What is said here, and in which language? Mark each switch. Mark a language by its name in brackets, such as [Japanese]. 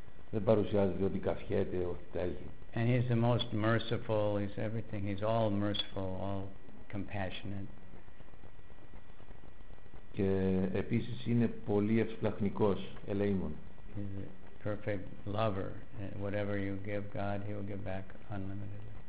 [Greek] Δεν παρουσιάζεται ότι καυχέται, ότι τα έχει. [English] And he's the most merciful. He's everything. He's all merciful, all compassionate. [Greek] Και επίσης είναι πολύ ευσπλαχνικός, ελεήμων. [English] He's a perfect lover. Whatever you give God, he will give back unlimitedly.